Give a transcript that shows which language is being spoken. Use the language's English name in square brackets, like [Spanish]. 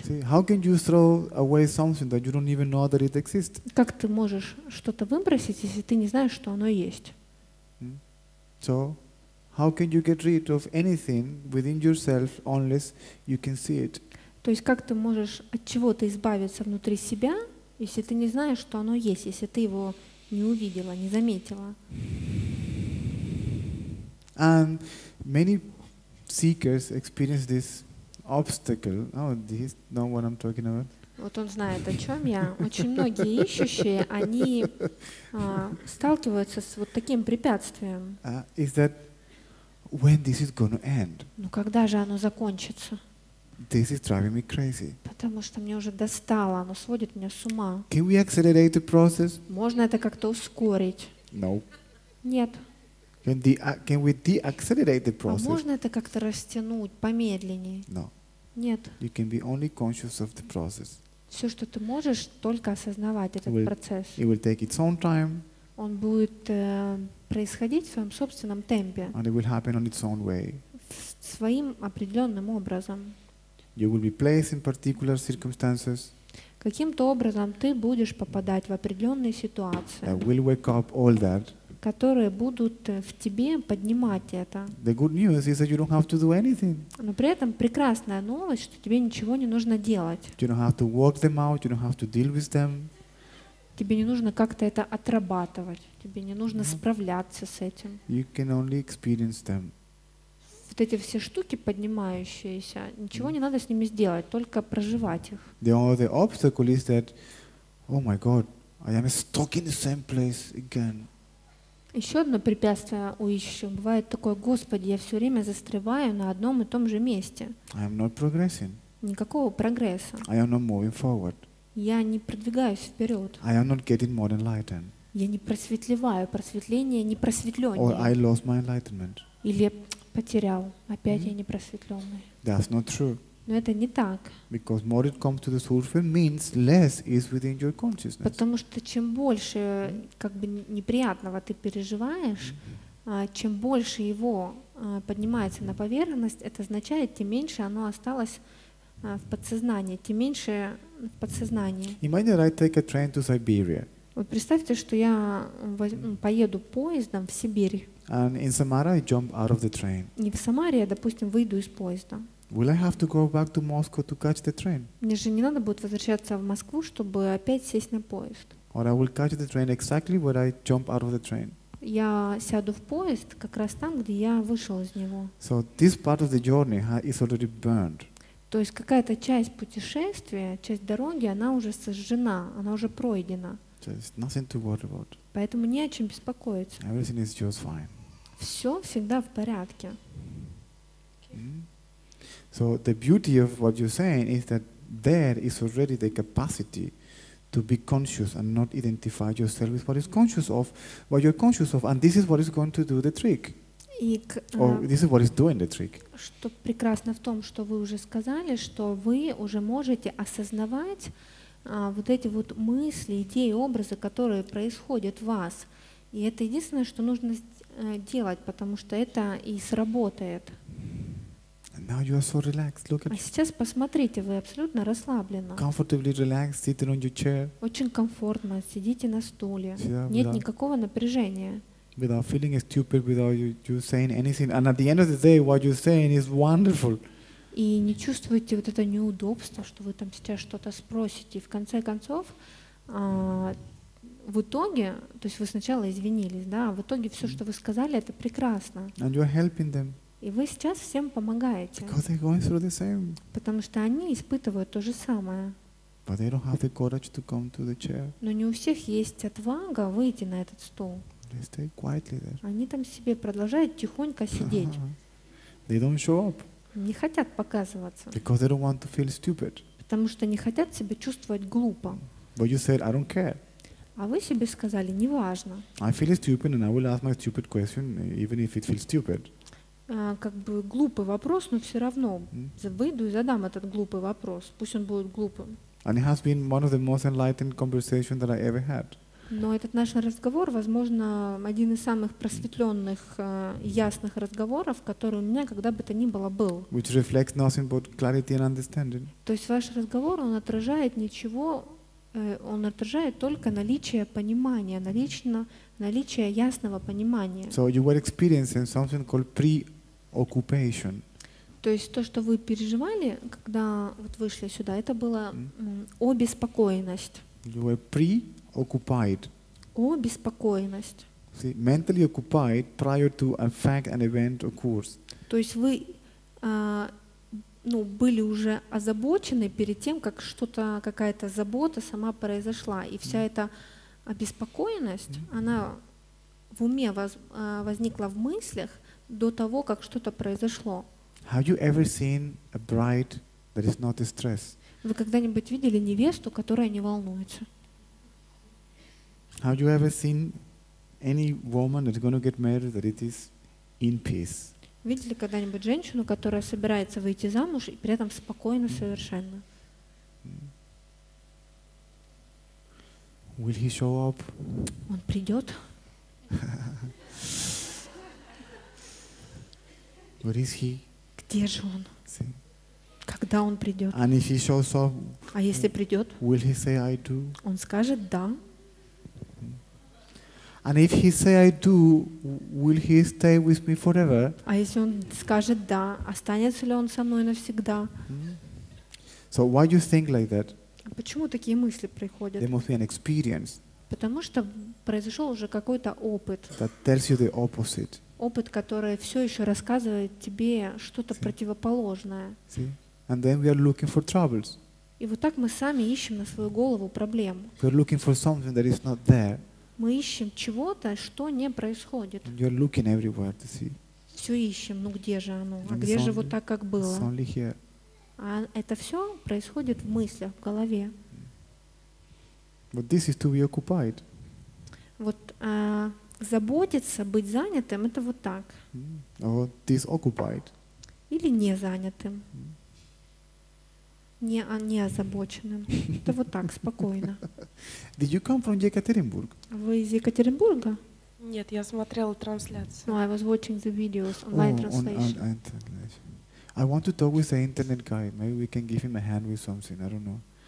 [English] See, how can you throw away something that you don't even know that it exists? [Russian] Как ты можешь что-то выбросить, если ты не знаешь, что оно есть? [English] So, how can you get rid of anything within yourself unless you can see it? [Russian] То есть как ты можешь от чего-то избавиться внутри себя, если ты не знаешь, что оно есть, если ты его не увидела, не заметила? [English] And many seekers experience this obstacle. Oh, do you know what I'm talking about? [Russian] Вот он знает, о чем я. Очень многие ищущие, они сталкиваются с вот таким препятствием. [English] Is that when this is going to end? [Russian] Ну когда же оно закончится? [English] This is driving me crazy. [Russian] Потому что мне уже достало, оно сводит меня с ума. [English] Can we accelerate the process? [Russian] Можно это как-то ускорить? [English] No. [Russian] Нет. [English] Can we de-accelerate the process? [Russian] А можно это как-то растянуть, помедленнее? [English] No. [Russian] Нет. [English] You can be only conscious of the process. [Russian] Все, что ты можешь, только осознавать этот процесс. [English] It will take its own time. [Russian] Он будет происходить в своем собственном темпе. [English] And it will happen on its own way. [Russian] Своим определенным образом. [English] You will be placed in particular circumstances. [Russian] Каким-то образом ты будешь попадать в определенные ситуации. [English] That will wake up all that. [Russian] Которые будут в тебе поднимать это. [English] The good news is that you don't have to do anything. [Russian] Но при этом прекрасная новость, что тебе ничего не нужно делать. [English] You don't have to work them out. You don't have to deal with them. [Russian] Тебе не нужно как-то это отрабатывать. Тебе не нужно справляться с этим. [English] You can only experience them. [Russian] Вот эти все штуки поднимающиеся, ничего не надо с ними сделать, только проживать их. [English] The only obstacle is that, oh my God, I am stuck in the same place again. [Russian] Еще одно препятствие у ищущего бывает такое: Господи, я все время застреваю на одном и том же месте. [English] I am not progressing. [Russian] Никакого прогресса. [English] I am not moving forward. [Russian] Я не продвигаюсь вперед. [English] I am not getting more enlightened. [Russian] Я не просветлеваю, просветление не просветленнее. [English] Or I lost my enlightenment. [Russian] Или потерял. Опять я непросветленный. [English] That's not true. [Russian] Но это не так. [English] Because more it comes to the surface means less is within your consciousness. [Russian] Потому что чем больше как бы неприятного ты переживаешь, чем больше его поднимается на поверхность, это означает, тем меньше оно осталось в подсознании, тем меньше в подсознании. [English] Imagine that I take a train to Siberia. [Russian] Вот представьте, что я поеду поездом в Сибирь. [English] And in Samara, I jump out of the train. [Russian] И в Самаре я, допустим, выйду из поезда. [English] Will I have to go back to Moscow to catch the train? [Russian] Мне же не надо будет возвращаться в Москву, чтобы опять сесть на поезд. [English] Or I will catch the train exactly where I jump out of the train. [Russian] Я сяду в поезд как раз там, где я вышел из него. [English] So this part of the journey is already burned. [Russian] То есть какая-то часть путешествия, часть дороги, она уже сожжена, она уже пройдена. [English] There's nothing to worry about. [Russian] Поэтому не о чем беспокоиться. [English] Everything is just fine. [Russian] Все всегда в порядке. [English] So the beauty of what you're saying is that there is already the capacity to be conscious and not identify yourself with what is conscious of, what you're conscious of, and this is what is going to do the trick. [Russian] И, [English] this is what is doing the trick. [Russian] Что прекрасно в том, что вы уже сказали, что вы уже можете осознавать вот эти вот мысли, идеи, образы, которые происходят в вас. И это единственное, что нужно делать, потому что это и сработает. [English] Now you are so relaxed. Look at [Russian] а сейчас посмотрите, вы абсолютно расслаблены. [English] Comfortably relaxed, sitting on your chair. [Russian] Очень комфортно, сидите на стуле. Нет никакого напряжения. [English] Without feeling stupid, without you saying anything, and at the end of the day, what you're saying is wonderful. [Russian] И не чувствуете вот это неудобство, что вы там сейчас что-то спросите. И в конце концов, в итоге, то есть вы сначала извинились, да, в итоге все, что вы сказали, это прекрасно. [English] And you're helping them. [Russian] И вы сейчас всем помогаете. [English] Because they're going through the same. [Russian] Потому что они испытывают то же самое. [English] But they don't have the courage to come to the chair. [Russian] Но не у всех есть отвага выйти на этот стол. [English] They stay quietly there. [Russian] Они там себе продолжают тихонько сидеть. [English] They don't show up. [Russian] Не хотят показываться. [English] Because they don't want to feel stupid. [Russian] Потому что не хотят себя чувствовать глупо. [English] But you said, I don't care. [Russian] А вы себе сказали, неважно. [English] I feel stupid and I will ask my stupid question, even if it feels stupid. [Russian] Как бы глупый вопрос, но все равно выйду и задам этот глупый вопрос. Пусть он будет глупым. [English] And it has been one of the most enlightened conversations that I ever had. [Russian] Но этот наш разговор, возможно, один из самых просветленных, ясных разговоров, который у меня когда бы то ни было был. [English] Which reflects nothing but clarity and understanding. [Russian] То есть ваш разговор, он отражает ничего, он отражает только наличие понимания, наличие ясного понимания. [English] So you were experiencing something called preoccupation. [Russian] То есть то, что вы переживали, когда вот вышли сюда, это была обеспокоенность. [English] You were preoccupied. Occupied. [Russian] О, беспокоенность. [English] See, mentally occupied prior to a fact, an event occurs. [Russian] То есть вы были уже озабочены перед тем, как что-то, какая-то забота сама произошла. И вся эта обеспокоенность, она в уме возникла в мыслях до того, как что-то произошло. [English] Have you ever seen a bride that is not stressed? [Russian] Вы когда-нибудь видели невесту, которая не волнуется? [English] Have you ever seen any woman that's going to get married that it is in peace? [Russian] Видели когда-нибудь женщину, которая собирается выйти замуж и при этом спокойно совершенно? [English] Will he show up? [Russian] Он придет. [English] Where is he? [Russian] Где же он? Когда он придет? [English] And if he shows up, [Russian] а если придет? [English] Will he say I do? [Russian] Он скажет да. [English] And if he say I do, will he stay with me forever? [Russian] А если он скажет да, останется ли он со мной навсегда? [English] So why do you think like that? [Russian] Почему такие мысли приходят? [English] There must be an experience. [Russian] Потому что произошел уже какой-то опыт. [English] That tells you the opposite. [Russian] Опыт, который все еще рассказывает тебе что-то противоположное. [English] See? And then we are looking for troubles. [Russian] И вот так мы сами ищем на свою голову проблем. [English] We are looking for something that is not there. [Russian] Мы ищем чего-то, что не происходит. [English] You're looking everywhere to see. [Russian] Все ищем, ну где же оно? А где же вот так, как было? [English] It's only here. [Russian] А это все происходит в мыслях, в голове. [English] But this is to be occupied. [Russian] Вот заботиться, быть занятым, это вот так. [English] Or this occupied. [Russian] Или не занятым. Не озабоченным. Это вот так, спокойно. [English] Did you come from Екатеринбург? [Russian] Вы из Екатеринбурга? Нет, я смотрела трансляцию. [English] No, I was watching the videos, online translation. I want to talk with the internet guy. Maybe we can give him a hand with something. I don't know.